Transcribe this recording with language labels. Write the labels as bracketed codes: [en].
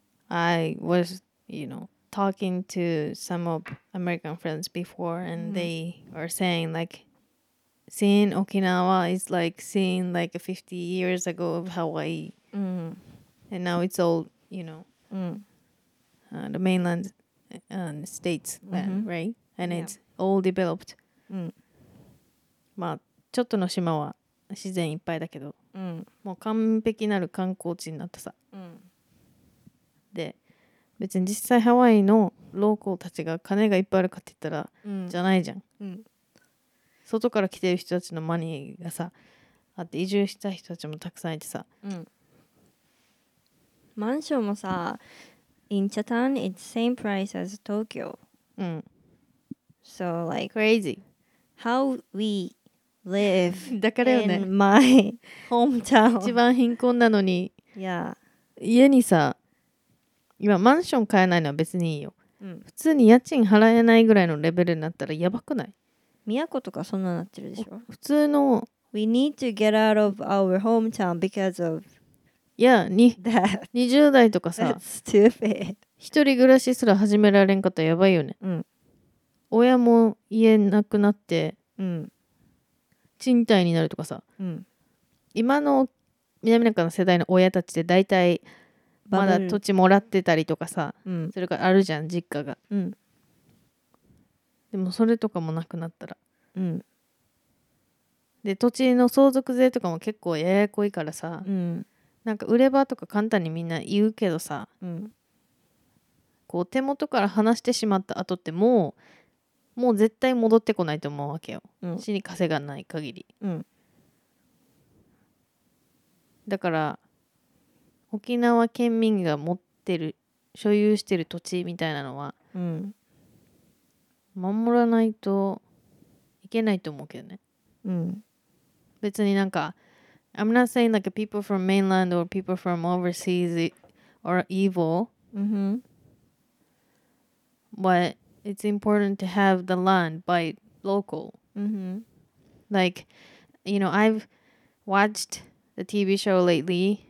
[en] I was, you know, talking to some of American friends before and they are saying like seeing Okinawa is like seeing like 50 years ago of Hawaii. Mm. And now it's all, you know, the mainland and states, land, right? And it's all developed. [ja] まあちょっとの島は自然いっぱいだけど、もう完璧なる観光地になったさ。で別に実際ハワイのローコーたちが金がいっぱいあるかって言ったら、じゃないじゃん、外から来てる人たちのマネーがさあって移住した人たちもたくさんいてさ、マンションもさ [en] in Japan it's same price as Tokyo、so like crazy how we live [ja] だからよね [en] in my hometown [ja] 一番貧困なのに、 [en] yeah. [ja] 家にさ今マンション買えないのは別にいいよ、普通に家賃払えないぐらいのレベルになったらやばくない？宮古とかそんななってるでしょ普通の。 [en] We need to get out of our hometown because of [ja] 20代とかさ、 [en] That's stupid. [ja] 一人暮らしすら始められんかったらやばいよね。うん、親も家なくなって、うん、賃貸になるとかさ、うん、今の南中の世代の親たちって大体まだ土地もらってたりとかさ、うん、それからあるじゃん実家が、うん、でもそれとかもなくなったら、うん、で土地の相続税とかも結構ややこいからさ、うん、なんか売ればとか簡単にみんな言うけどさ、うん、こう手元から離してしまった後ってもう絶対戻ってこないと思うわけよ、うん、死に稼がない限り、うん、だから沖縄県民が持ってる所有してる土地みたいなのは、うん、守らないといけないと思うけどね、うん、別になんか [en] I'm not saying like people from mainland or people from overseas are evil. Mm-hmm. But it's important to have the land by local. Mm-hmm. Like, you know, I've watched the TV show lately.